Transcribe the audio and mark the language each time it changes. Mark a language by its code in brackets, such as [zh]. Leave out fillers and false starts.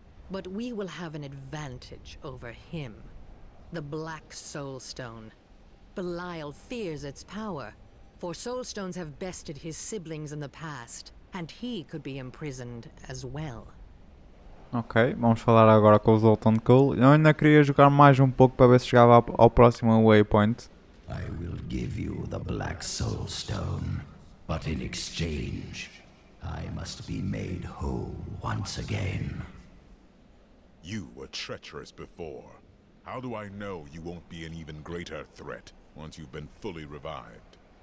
[en] But we will have an advantage over him. The Black Soul Stone. Belial fears its power, for Soulstones have bested his siblings in the past, and he could be imprisoned as well. [pt] Ok, vamos falar agora com o Zoltun Kulle. Eu ainda queria jogar mais um pouco para ver se chegava ao próximo waypoint. [en] I will give you the Black Soulstone, but in exchange, I must be made whole once again. You were treacherous before. How do I know you won't be an even greater threat once you've been fully revived?